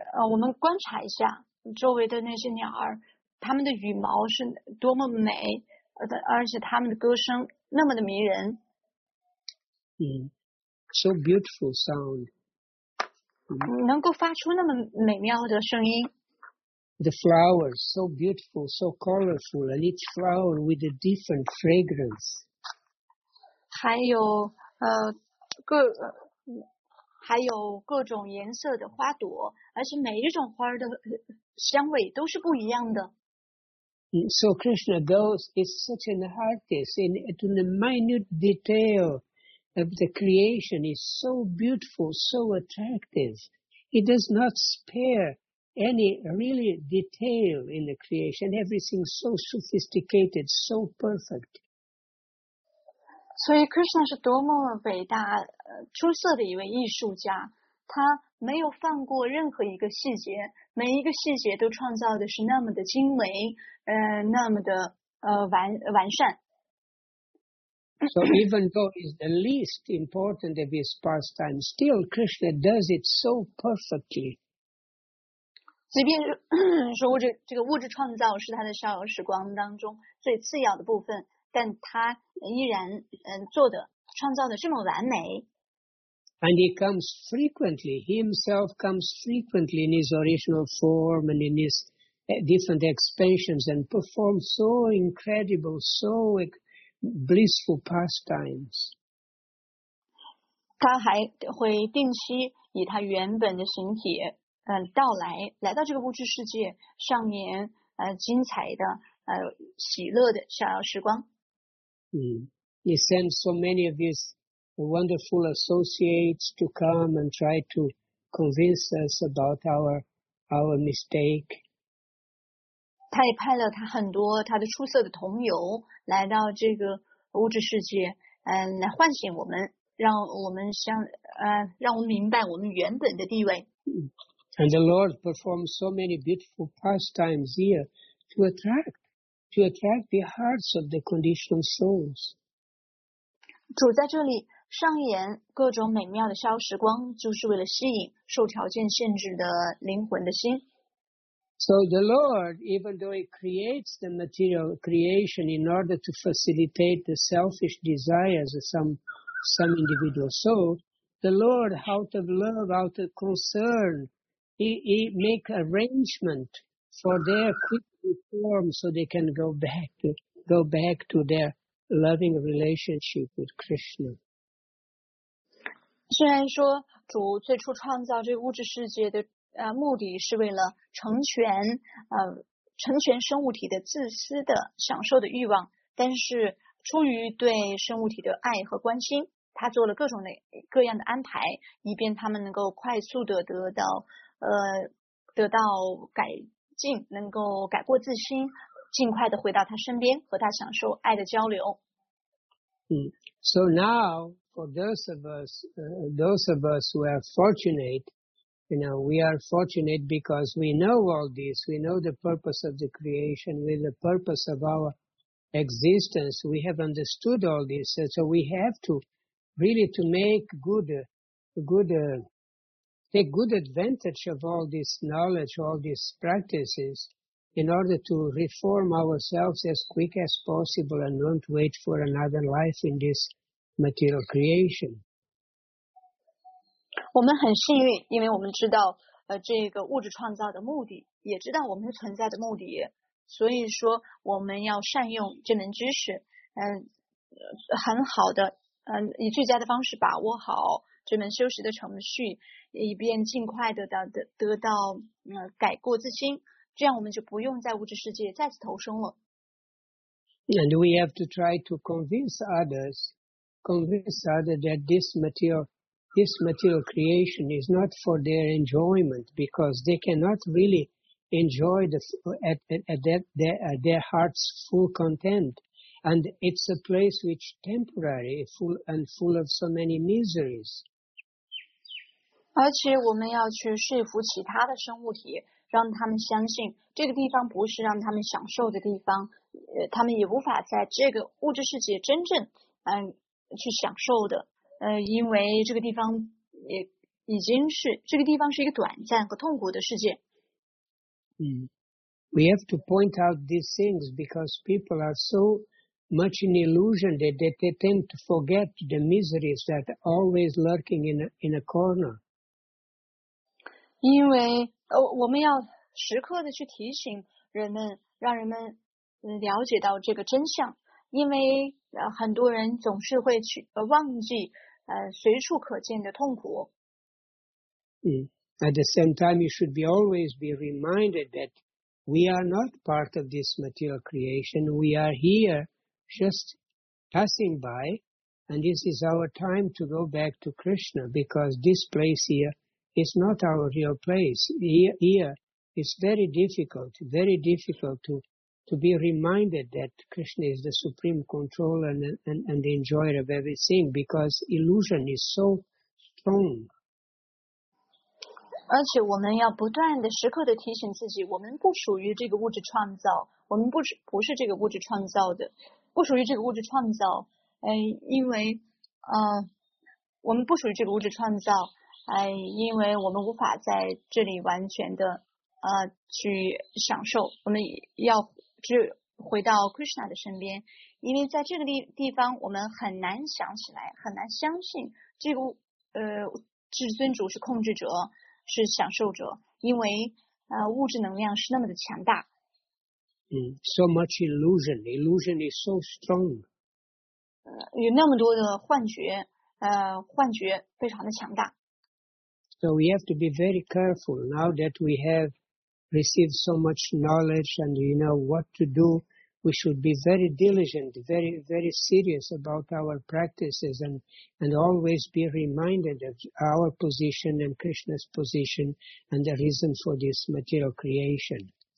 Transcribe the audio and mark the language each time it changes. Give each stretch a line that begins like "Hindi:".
Chinese: 我们观察一下周围的那些鸟儿，它们的羽毛是多么美，而且它们的歌声那么的迷人。
English: So beautiful sound.
Chinese: 能够发出那么美妙的声音。
English: The flowers, so beautiful, so colorful, and each flower with a different fragrance.
Chinese: 还有各种颜色的花朵，而且每一种花的香味都是不一样的。
English: So Krishna goes, is such an artist in the minute detail of the creation, is so beautiful, so attractive. He does not spare any really detail in the creation, everything so sophisticated, so perfect.
Chinese: 所以 Krishna 是多么伟大出色的一位艺术家，他没有放过任何一个细节，每一个细节都创造的是那么的精美，那么的完善。
English: So even though it's the least important of his pastimes, still Krishna does it so perfectly.
Chinese: 即便说这个物质创造是他的逍遥时光当中最次要的部分，但他依然创造的这么完美。
English: And he comes frequently, he himself comes frequently in his original form and in his different expansions and performs so incredible, so blissful pastimes.
Chinese: 他还会定期以他原本的形体来到这个物质世界上演精彩的喜乐的逍遥时光。
English: He sends so many of his wonderful associates to come and try to convince us about our mistake.
Chinese: 他也派了他很多他的出色的同友来到这个物质世界来唤醒我们，让我们明白我们原本的地位。
English: And the Lord performs so many beautiful pastimes here to attract the hearts of the conditioned souls.
Chinese: 主在这里上演各种美妙的逍遥时光，就是为了吸引受条件限制的灵魂的心。
English: So the Lord, even though he creates the material creation in order to facilitate the selfish desires of some individual soul, the Lord, out of love, out of concern,He make arrangement for their quick reform so they can go back to their loving relationship with Krishna.
Chinese: 虽然说主最初创造这个物质世界的目的是为了成全生物体的自私的享受的欲望，但是出于对生物体的爱和关心，他做了各种各样的安排，以便他们能够快速的得到改进，能够改过自新，尽快的回到他身边，和他享受爱的交流。
English: So now, for those of us who are fortunate, you know, we are fortunate because we know all this. We know the purpose of the creation, we know the purpose of our existence. We have understood all this, and so we have to really to make good advantage of all this knowledge, all these practices, in order to reform ourselves as quick as possible and not wait for another life in this material creation.
Chinese: 我们很幸运，因为我们知道这个物质创造的目的，也知道我们存在的目的，所以说我们要善用这门知识，很好的，以最佳的方式把握好这门修习的程序，以便尽快得到改过自新，这样我们就不用在物质世界再次投生了。
English: And we have to try to convince others that this material creation is not for their enjoyment, because they cannot really enjoy their heart's full content. And it's a place which temporary full of so many miseries.
Chinese: 而且我们要去说服其他的生物体，让他们相信这个地方不是让他们享受的地方，他们也无法在这个物质世界真正去享受的，因为这个地方也已经是这个地方是一个短暂和痛苦的世界。
English: We have to point out these things because people are so much in illusion that they tend to forget the miseries that are always lurking in a corner.
Chinese: 因为我们要时刻的去提醒人们，让人们了解到这个真相，因为很多人总是会去忘记随处可见的痛苦。
English: At the same time, you should always be reminded that we are not part of this material creation. We are here just passing by, and this is our time to go back to Krishna, because this place here is not our real place. Here it's very difficult to be reminded that Krishna is the supreme controller and the enjoyer of everything, because illusion is so strong.
Chinese: 而且我们要不断的时刻的提醒自己，我们不属于这个物质创造，我们不是这个物质创造的，不属于这个物质创造，因为我们不属于这个物质创造，因为我们无法在这里完全的去享受，我们要是回到 Krishna 的身边，因为在这个地方我们很难想起来，很难相信这个至尊主是控制者，是享受者，因为物质能量是那么的强大。
English: So much illusion is so strong.
Chinese: 有那么多的幻觉非常的强大。
English: So we have to be very careful now that we have receive so much knowledge and you know what to do. We should be very diligent, very, very serious about our practices and always be reminded of our position and Krishna's position and the reason for this material creation.